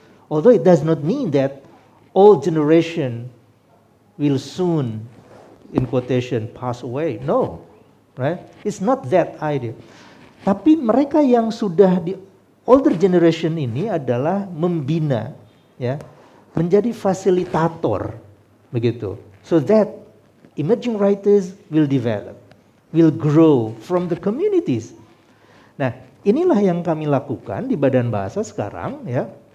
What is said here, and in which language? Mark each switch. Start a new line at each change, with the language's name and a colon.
English: Although it does not mean that old generation will soon, in quotation, pass away. No, right? It's not that idea.
Indonesian: Tapi mereka yang sudah di older generation ini adalah membina, ya, menjadi fasilitator, begitu.
English: So that emerging writers will develop, will grow from the communities.
Indonesian: Nah, inilah yang kami lakukan di Badan Bahasa sekarang, ya.